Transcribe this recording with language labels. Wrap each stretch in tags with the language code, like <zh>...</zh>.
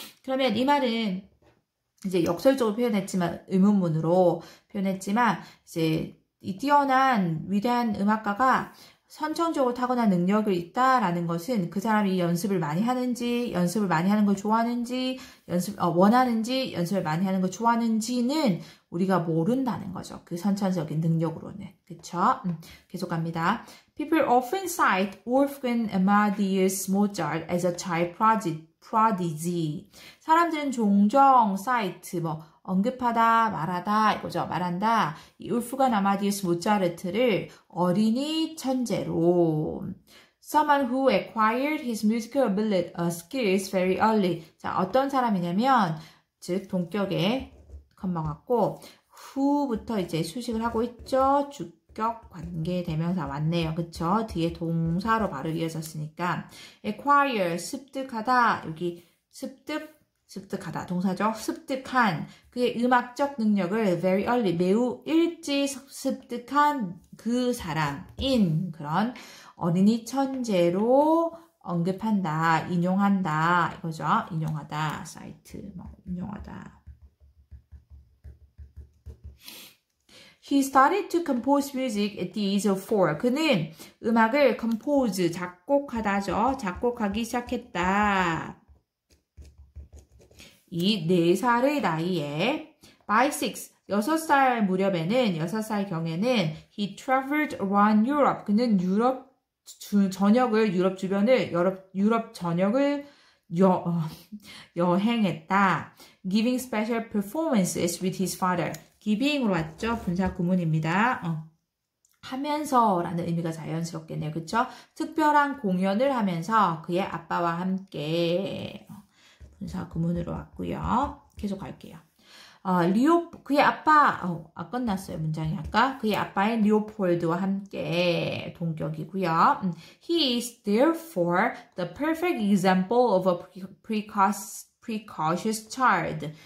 <ko>그러면 이 말은 이제 역설적으로 표현했지만 의문문으로 표현했지만 이제 이 뛰어난 위대한 음악가가 선천적으로 타고난 능력을 있다라는 것은 그 사람이 연습을 많이 하는지 연습을 많이 하는 걸 좋아하는지 연습 원하는지 연습을 많이 하는 걸 좋아하는지는 우리가 모른다는 거죠. 그 선천적인 능력으로는 그렇죠? 계속 갑니다.</ko> <en>People often cite Wolfgang Amadeus Mozart as a child prodigy.</en> <ko>사람들은 종종 cite 뭐 언급하다, 말하다, 이거죠. 말한다. 이 울프간 아마디우스 모차르트를 어린이 천재로.</ko> <en>Someone who acquired his musical ability, skills very early.</en> <ko>자, 어떤 사람이냐면, 즉, 동격에 컴마 왔고, who부터 이제 수식을 하고 있죠. 주격 관계 대명사 왔네요. 그쵸? 뒤에 동사로 바로 이어졌으니까. acquire, 습득하다. 여기 습득하다, 동사죠. 습득한 그의 음악적 능력을</ko> <en>very early,</en> <ko>매우 일찍 습득한 그 사람인 그런 어린이 천재로 언급한다, 인용한다, 이거죠. 인용하다, 사이트, 뭐, 인용하다.</ko> <en>He started to compose music at the age of four.</en> <ko>그는 음악을 compose, 작곡하다죠. 작곡하기 시작했다. 이 4살의 나이에 by 6, 6살 무렵에는 6살 경에는</ko> <en>he traveled around Europe.</en> <ko>그는 유럽 주변을 유럽 전역을 여행했다.</ko> <en>giving special performances with his father. giving으로 왔죠.</en> <ko>분사 구문입니다. 하면서라는 의미가 자연스럽겠네요. 그렇죠? 특별한 공연을 하면서 그의 아빠와 함께 분사 구문으로 왔고요. 계속 갈게요. 그의 아빠, 끝났어요. 문장이 아까. 그의 아빠인 리오폴드와 함께 동격이고요.</ko> <en>He is therefore the perfect example of a precocious child.</en>